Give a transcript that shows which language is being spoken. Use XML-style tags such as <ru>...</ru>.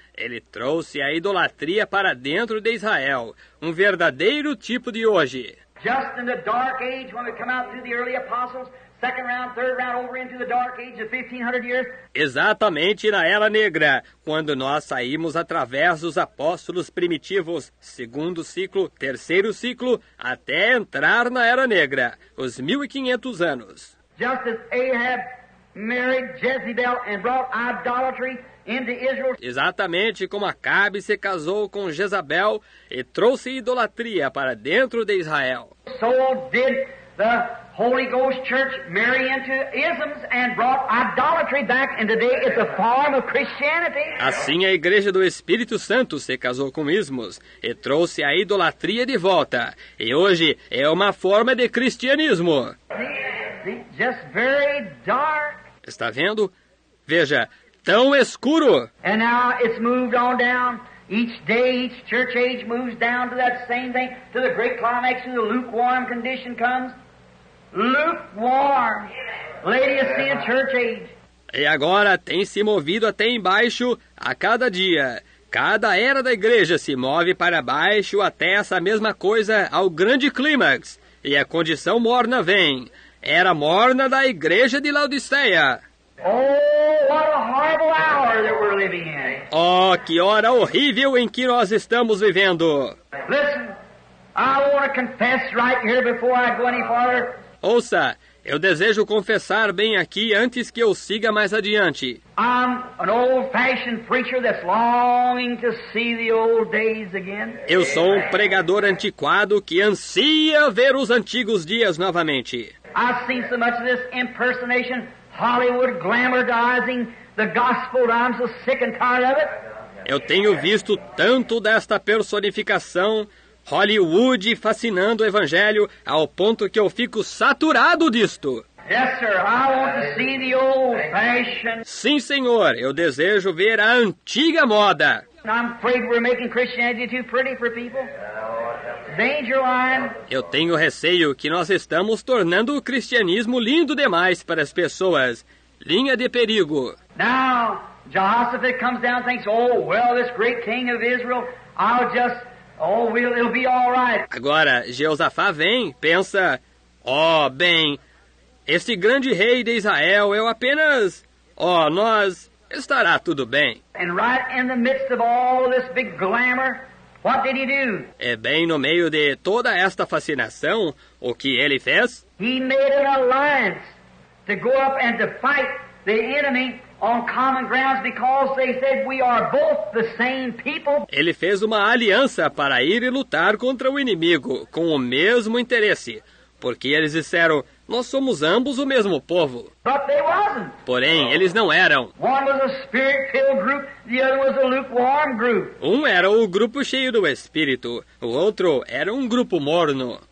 <pt>Ele trouxe a idolatria para dentro de Israel, um verdadeiro tipo de hoje.</pt> <en>Just in the dark age, when we come out through the early apostles, second round, third round, over into the dark age of 1500 years.</en> <pt>Exatamente na Era Negra, quando nós saímos através dos apóstolos primitivos, segundo ciclo, terceiro ciclo, até entrar na Era Negra, os 1500 anos.</pt> <en>Just as Ahab married Jezebel and brought idolatry into Israel.</en> <pt>Exatamente como Acabe se casou com Jezabel e trouxe idolatria para dentro de Israel.</pt> <en>So did the Holy Ghost Church marry into isms and brought idolatry back, and today it's a form of Christianity.</en> <pt>Assim a Igreja do Espírito Santo se casou com ismos e trouxe a idolatria de volta, e hoje é uma forma de cristianismo.</pt> <en>Just very dark.</en> <pt>Está vendo? Veja, tão escuro.</pt> <en>And now it's moved on down. Each day, each church age moves down to that same thing, to the great climax, and the lukewarm condition comes. Lukewarm. Laodicean church age.</en> <pt>E agora tem se movido até embaixo a cada dia. Cada era da igreja se move para baixo até essa mesma coisa, ao grande clímax. E a condição morna vem. Era morna da igreja de Laodiceia.</pt> <en>Oh, what a horrible hour that we're living in.</en> <pt>Oh, que hora horrível em que nós estamos vivendo.</pt> <en>Listen, I want to confess right here before I go any farther.</en> <pt>Ouça, eu desejo confessar bem aqui antes que eu siga mais adiante.</pt> <en>I'm an old-fashioned preacher that's longing to see the old days again.</en> <pt>Eu sou um pregador antiquado que ansia ver os antigos dias novamente.</pt> <en>I've seen so much of this impersonation, Hollywood glamorizing the gospel, that I'm so sick and tired of it.</en> <pt>Eu tenho visto tanto desta personificação, Hollywood fascinando o evangelho, ao ponto que eu fico saturado disto.</pt> <en>Yes, sir. I want to see the old-fashioned.</en> <pt>Sim, senhor, eu desejo ver a antiga moda.</pt> <en>I'm afraid we're making Christianity too pretty for people. Danger line.</en> <pt>Eu tenho receio que nós estamos tornando o cristianismo lindo demais para as pessoas. Linha de perigo.</pt> <en>Now, Jehoshaphat comes down and thinks, oh, well, this great king of Israel, I'll just, oh, it'll be all right.</en> <pt>Agora, Jeosafá vem, pensa, oh, bem, este grande rei de Israel, eu apenas, oh, nós, estará tudo bem.</pt> <en>And right in the midst of all this big glamour, what did he do?</en> <pt>É bem no meio de toda esta fascinação, o que ele fez?</pt> <en>He made an alliance to go up and to fight the enemy on common grounds, because they said we are both the same people.</en> <pt>Ele fez uma aliança para ir e lutar contra o inimigo com o mesmo interesse, porque eles disseram, nós somos ambos o mesmo povo.</pt> <en>But they wasn't.</en> <pt>Porém, eles não eram.</pt> <en>One was a spirit-filled group, the other was a lukewarm group.</en> <pt>Um era o grupo cheio do Espírito, o outro era um grupo morno.</pt>